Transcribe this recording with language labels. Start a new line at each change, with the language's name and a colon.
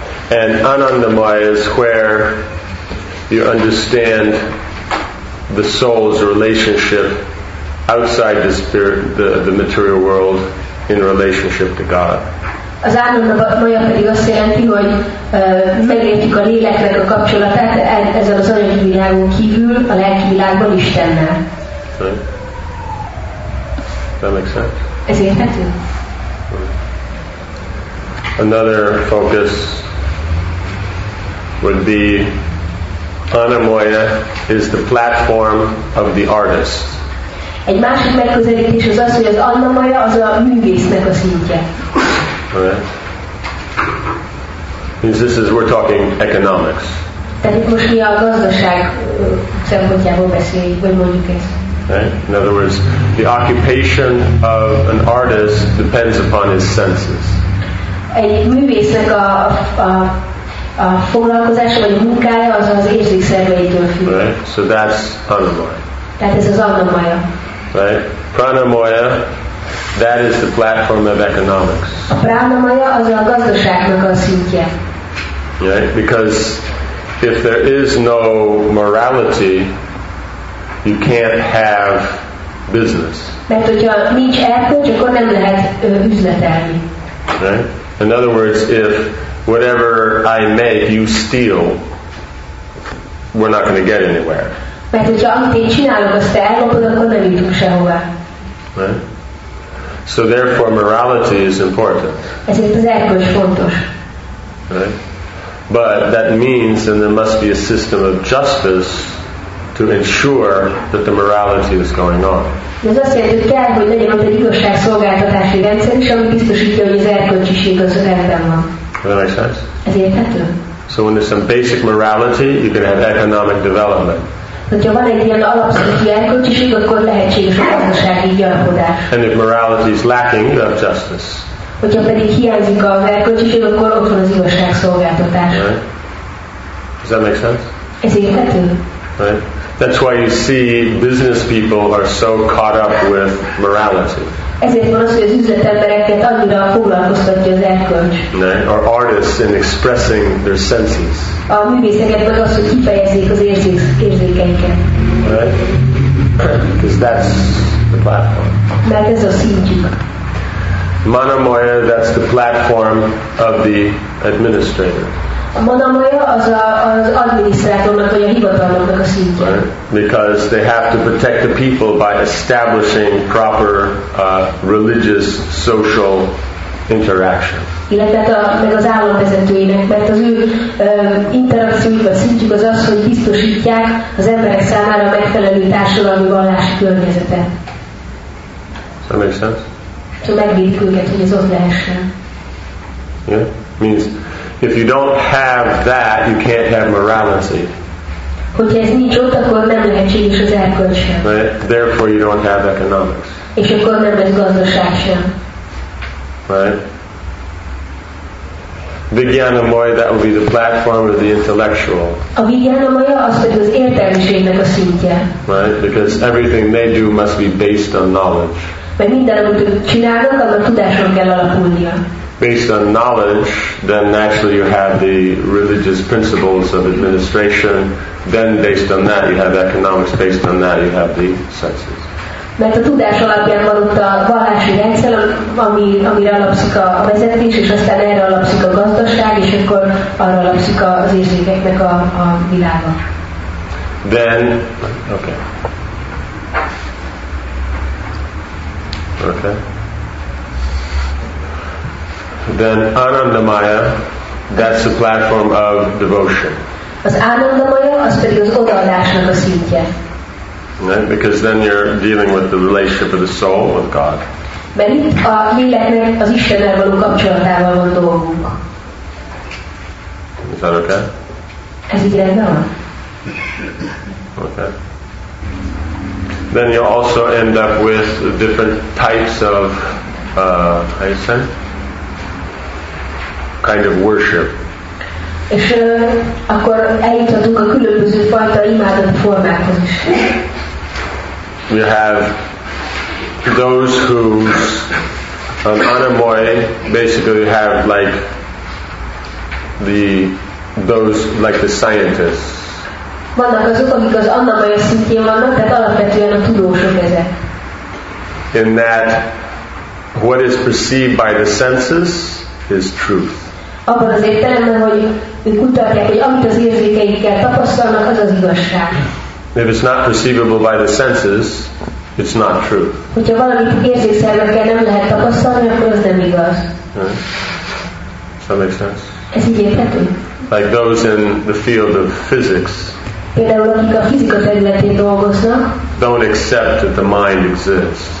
English: And Anandamaya is where you understand the soul's relationship outside the spirit, the material world, in relationship to God.
Hungarian: Az Anandamaya pedig azt jelenti, hogy megértjük a léleknek a kapcsolatát ezzel az anyagi világon kívül, a lelki világban Istennel.
English: Right. Does that make sense?
Hungarian: Ez érthető?
English: Another focus would be Anandamaya is the platform of the artist.
Hungarian: Egy másik megközelítés az az, hogy az Anandamaya az a művésznek a szintje.
English: Right. This is, we're talking economics.
Hungarian: Tehát itt most mi a gazdaság szempontjából beszéljük, vagy mondjuk ezt.
English: Right. In other words, the occupation of an artist depends upon his senses.
Hungarian: Egy művésznek a foglalkozása vagy a munkája az az érzékszerveitől függ.
English: Right. So that's Anandamaya.
Hungarian: Tehát ez az Anandamaya.
English: Right. Pranamaya. That is the platform of economics.
Hungarian: A pranamaya az a gazdaságnak a szintje.
English: Right? Because if there is no morality, you can't have business.
Hungarian: Mert hogyha nincs erkölcs, akkor nem lehet üzletelni.
English: Right? In other words, if whatever I make you steal, we're not going to get anywhere.
Hungarian: Mert hogyha amit én csinálok, azt te elkapod, akkor nem jutunk sehová.
English: Right? So therefore, morality is important.
Hungarian: Ezért az erkölcs fontos.
English: But that means that there must be a system of justice to ensure that the morality is going on.
Hungarian: Ez azt jelenti, hogy kell, hogy legyen ott egy igazságszolgáltatási rendszer is, ami biztosítja, hogy az erkölcsiség az rendben van.
English: That makes sense?
Hungarian: Ez érthető?
English: So when there's some basic morality, you can have economic development.
Hungarian: Hogyha van egy ilyen alapszintű erkölcsiség, akkor lehetséges a gazdasági gyarapodás.
English: And if morality is lacking, you have justice.
Hungarian: Hogyha pedig hiányzik az erkölcsiség, akkor ott van az igazságszolgáltatás.
English: Right. Does that make sense?
Hungarian: Ez érthető?
English: Right. That's why you see business people are so caught up with morality.
Hungarian: Ezért van az, hogy az üzletembereket annyira foglalkoztatja az erkölcs.
English: Or artists in expressing their senses.
Hungarian: A művészeket meg az, hogy kifejezzék az érzékeiket.
English: Because that's the platform.
Hungarian: Mert ez a szintjük.
English: Manamaya, that's the platform of the administrator.
Hungarian: A manamaya az az adminisztrátornak vagy a hivatalnoknak a szintje.
English: Right? Because they have to protect the people by establishing proper religious social interaction.
Hungarian: Illetve meg az államvezetőinek, mert az ő interakciójuk vagy szintjük az az, hogy biztosítják az emberek számára a megfelelő társadalmi vallási környezetet.
English: Does that make sense?
Hungarian: So megvédik őket, hogy ez ott lehessen.
English: Yeah? Means if you don't have that, you can't have morality.
Hungarian: Hogyha ez nincs ott, akkor nem lehetséges az erkölcs sem.
English: Right? Therefore you don't have economics.
Hungarian: És akkor nem lesz gazdaság sem.
English: Right? Vijnanamaya, that would be the platform of the intellectual.
Hungarian: A Vijnanamaya az, hogy az értelmiségnek a szintje.
English: Right? Because everything they do must be based on knowledge.
Hungarian: Mert minden, amit csinálnak, annak tudáson kell alapulnia.
English: Based on knowledge, then naturally you have the religious principles of administration. Then, based on that, you have economics. Based on that, you have the senses.
Hungarian: Mert a tudás alapján van ott a vallási rendszer, amire alapszik a vezetés, és aztán erre alapszik a gazdaság, és akkor arra alapszik az érzékeknek a világa.
English: Then, okay. Okay. Then Anandamaya, that's the platform of devotion.
Hungarian: Az Anandamaya az pedig az odaadásnak a szintje.
English: Right? Because then you're dealing with the relationship of the soul with God.
Hungarian: Mert itt a léleknek az Istennel való kapcsolatával van dolgunk.
English: Is that okay?
Hungarian: Ez így lenne?
English: Okay. Then you also end up with different types of how you say? Kind of worship.
Hungarian: És akkor eljuthatunk a különböző fajta imádat formákhoz is.
English: You have those whose anamoy basically have like the those like the scientists.
Hungarian: Vannak azok, amik az anamoy szintjén vannak, tehát alapvetően a tudósok eze.
English: In that, what is perceived by the senses is truth.
Hungarian: Abban az értelemben, hogy ők úgy tartják, hogy amit az érzékeikkel tapasztalnak, az az igazság.
English: If it's not perceivable by the senses, it's not true.
Hungarian: Hogyha valamit érzékszervekkel nem lehet tapasztalni, akkor az nem igaz.
English: Does that make sense?
Hungarian: Ez így érthető?
English: Like those in the field of physics.
Hungarian: Például akik a fizika területén dolgoznak.
English: Don't accept that the mind exists.